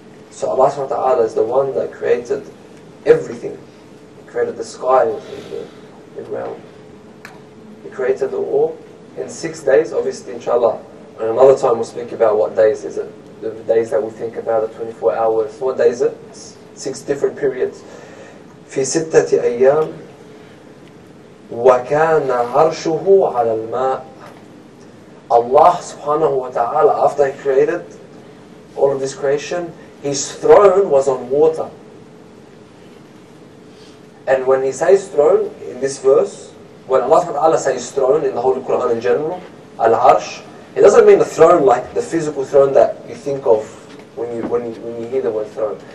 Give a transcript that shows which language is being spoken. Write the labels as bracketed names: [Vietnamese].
[English] So Allah subhanahu wa ta'ala is the one that created everything. He created the sky and the ground. He created the all in 6 days, obviously, inshallah. And another time we'll speak about what days is it. The days that we think about, the 24 hours. What day is it? It's 6 different periods. [Arabic] في ستة أيام وكان عرشه على الماء. [English] Allah subhanahu wa ta'ala, after he created all of this creation, his throne was on water. And when he says throne in this verse, when Allah Ta'ala says throne in the Holy Quran in general, Al-Arsh, it doesn't mean the throne like the physical throne that you think of when you hear the word throne.